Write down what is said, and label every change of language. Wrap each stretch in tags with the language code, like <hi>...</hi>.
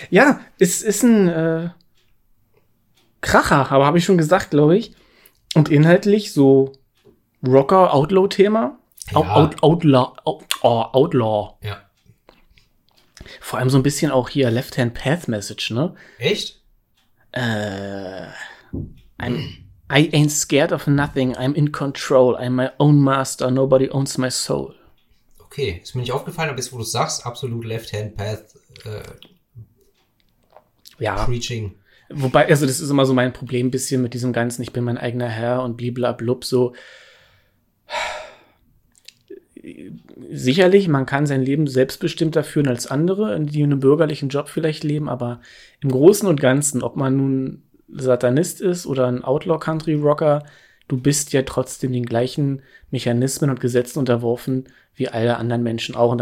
<de>Ja, es ist ein Kracher, aber habe ich schon gesagt, glaube ich. Und inhaltlich so Rocker-Outlaw-Thema. Ja. Outlaw. Ja. Vor allem so ein bisschen auch hier Left-Hand-Path-Message, ne? Echt?</de> <en>I'm I ain't scared of nothing, I'm in control, I'm my own master, nobody owns my soul.</en> <de>Okay, ist mir nicht aufgefallen, aber jetzt, wo du sagst, absolut Left-Hand-Path, ja.</de> <en>Preaching.</en> <de>Wobei, also das ist immer so mein Problem ein bisschen mit diesem Ganzen, ich bin mein eigener Herr und bliblablub, so. Sicherlich, man kann sein Leben selbstbestimmter führen als andere, die einen bürgerlichen Job vielleicht leben, aber im Großen und Ganzen, ob man nun Satanist ist oder ein Outlaw-Country-Rocker, du bist ja trotzdem den gleichen Mechanismen und Gesetzen unterworfen wie alle anderen Menschen auch.</de>